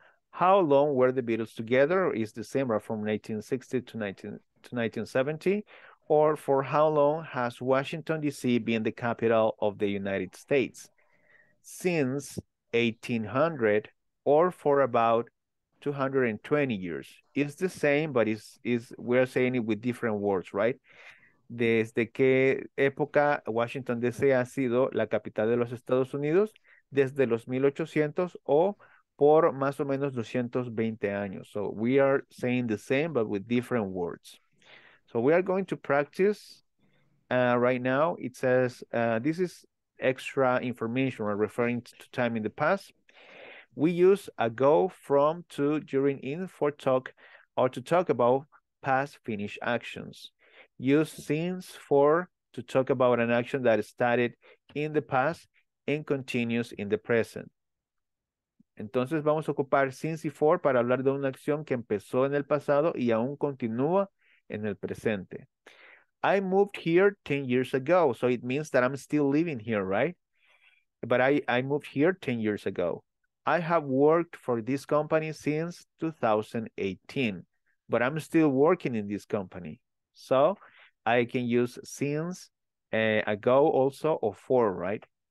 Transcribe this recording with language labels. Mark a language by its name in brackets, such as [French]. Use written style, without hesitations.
[English] How long were the Beatles together is the same from 1960 to 1970, or for how long has Washington, D.C. been the capital of the United States? Since 1800, or for about 220 years. It's the same, but is we're saying it with different words, right? [Spanish] ¿Desde qué época Washington, D.C. ha sido la capital de los Estados Unidos? Desde los 1800 o por más o menos 220 años. [English] So we are saying the same, but with different words. So we are going to practice right now. It says, this is extra information referring to time in the past. We use ago, from, to, during, in, for, talk, or to talk about past finished actions. Use since, for, to talk about an action that started in the past and continues in the present. [Spanish] Entonces vamos a ocupar since y for para hablar de una acción que empezó en el pasado y aún continúa en el presente. [English] I moved here 10 years ago, so it means that I'm still living here, right? But I moved here 10 years ago. I have worked for this company since 2018, but I'm still working in this company. So I can use since, ago also, or for, right?